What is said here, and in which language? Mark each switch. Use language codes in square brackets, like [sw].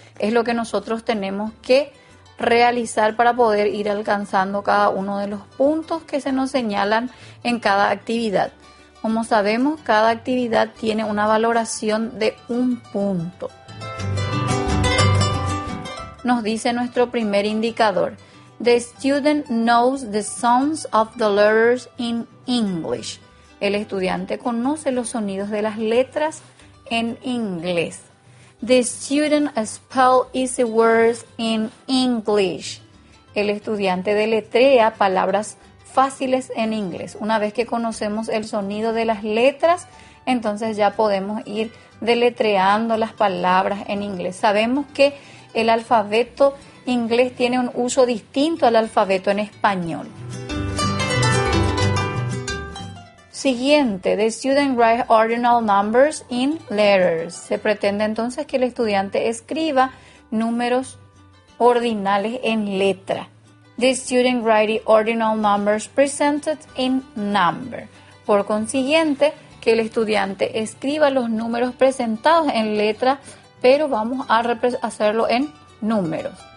[es] Es lo que nosotros tenemos que realizar para poder ir alcanzando cada uno de los puntos que se nos señalan en cada actividad. Como sabemos, cada actividad tiene una valoración de un punto. Nos dice nuestro primer indicador. [en] The student knows the sounds of the letters in English. [es] El estudiante conoce los sonidos de las letras en inglés. [en] The student spells easy words in English. [es] El estudiante deletrea palabras fáciles en inglés. Una vez que conocemos el sonido de las letras, entonces ya podemos ir deletreando las palabras en inglés. Sabemos que el alfabeto inglés tiene un uso distinto al alfabeto en español. Siguiente, [en] the student writes ordinal numbers in letters. [es] Se pretende entonces que el estudiante escriba números ordinales en letra. [en] The student writes ordinal numbers presented in number. [es] Por consiguiente, que el estudiante escriba los números presentados en letra, pero vamos a hacerlo en números.